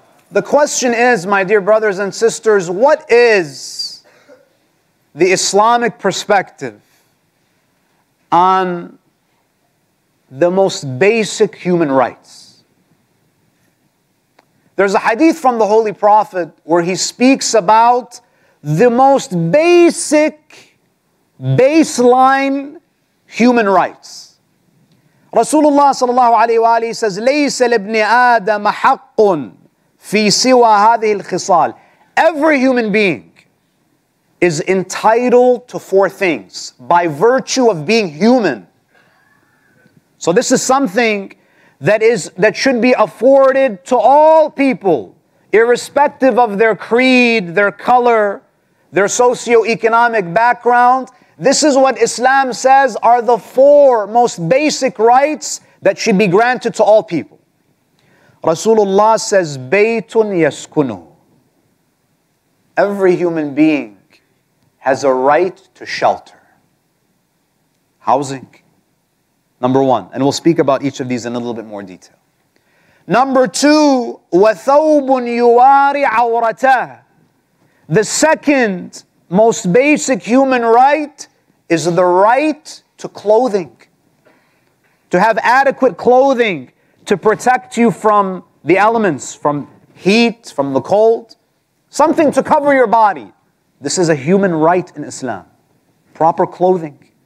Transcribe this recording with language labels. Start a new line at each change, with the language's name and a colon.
English: The question is, my dear brothers and sisters, what is the Islamic perspective on the most basic human rights? There's a hadith from the Holy Prophet where he speaks about the most basic baseline human rights. Rasulullah sallallahu alayhi wa alayhi says,
Arabic: لَيْسَ لِبْنِ آدَمَ حَقٌ فِي سِوَى هَذِهِ الْخِصَالِ.
English: Every human being is entitled to 4 things by virtue of being human. So this is something that should be afforded to all people, irrespective of their creed, their color, their socioeconomic background. This is what Islam says are the 4 most basic rights that should be granted to all people. Rasulullah says,
Arabic: Baytun yaskunu.
English: Every human being has a right to shelter. Housing, number one. And we'll speak about each of these in a little bit more detail. Number two,
Arabic: وَثَوْبٌ يُوَارِ عَوْرَتَهُ.
English: The second most basic human right is the right to clothing. To have adequate clothing to protect you from the elements, from heat, from the cold. Something to cover your body. This is a human right in Islam. Proper clothing.